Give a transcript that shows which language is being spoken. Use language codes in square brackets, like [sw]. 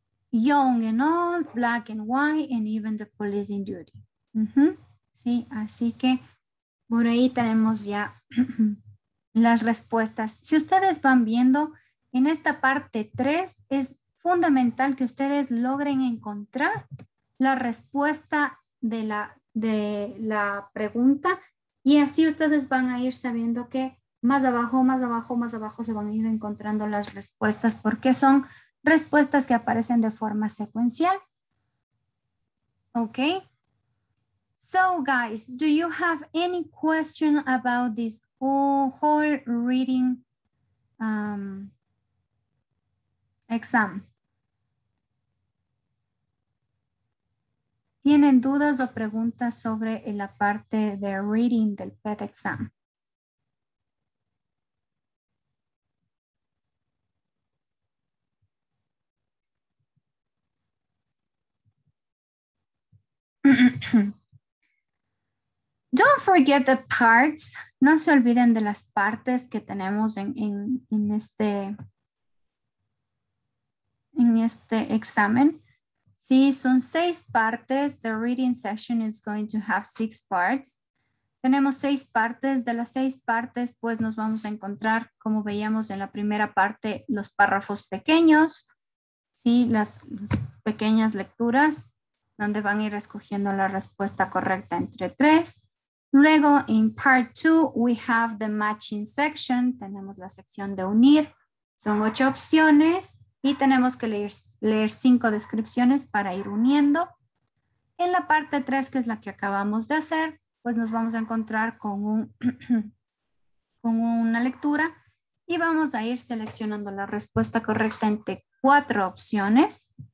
[en] Young and old, black and white, and even the police in duty. Uh-huh. [es] Sí, así que por ahí tenemos ya las respuestas. Si ustedes van viendo, en esta parte 3 es fundamental que ustedes logren encontrar la respuesta de la pregunta y así ustedes van a ir sabiendo que más abajo se van a ir encontrando las respuestas porque son respuestas que aparecen de forma secuencial. Ok. [en] So guys, do you have any question about this whole reading exam? [es] ¿Tienen dudas o preguntas sobre la parte de reading del PET exam? [en] (Clears throat) Don't forget the parts. [es] No se olviden de las partes que tenemos en este examen. Sí, son 6 partes. [en] The reading session is going to have 6 parts. [es] Tenemos 6 partes. De las 6 partes, pues nos vamos a encontrar, como veíamos en la primera parte, los párrafos pequeños. Sí, las pequeñas lecturas donde van a ir escogiendo la respuesta correcta entre 3. Luego, [en] in part 2, we have the matching section. [es] Tenemos la sección de unir. Son 8 opciones y tenemos que leer 5 descripciones para ir uniendo. En la parte 3, que es la que acabamos de hacer, pues nos vamos a encontrar con una lectura y vamos a ir seleccionando la respuesta correcta entre 4 opciones.